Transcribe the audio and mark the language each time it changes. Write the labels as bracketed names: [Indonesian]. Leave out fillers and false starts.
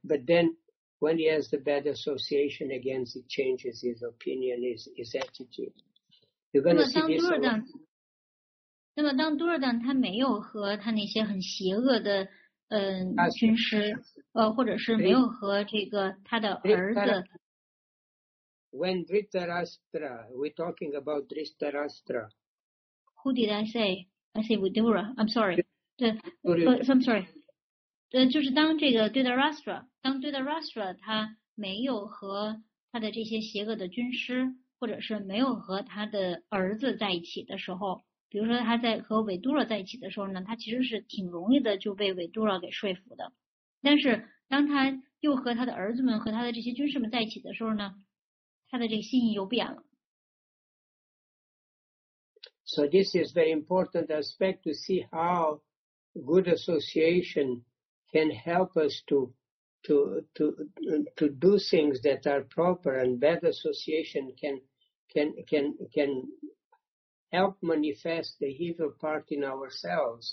[English] But then when he has the bad association again, he changes his opinion, his attitude. You're going to see this a lot. [Chinese] 那么当杜尔丹他没有和他那些很邪恶的军师或者是没有和这个他的儿子 [English] When Dhritarashtra, we're talking about Dhritarashtra. Who did I say? I say Vidura. I'm sorry. I'm sorry. [Chinese] 就是当这个 Dhritarashtra, 当 Dhritarashtra 他没有和他的这些邪恶的军师或者是没有和他的儿子在一起的时候，比如说他在和韦杜拉在一起的时候呢，他其实是挺容易的就被韦杜拉给说服的。但是当他又和他的儿子们和他的这些军士们在一起的时候呢，他的这个心意又变了。 [English] So this is very important aspect to see how good association can help us to do things that are proper, and bad association can help manifest the evil part in ourselves.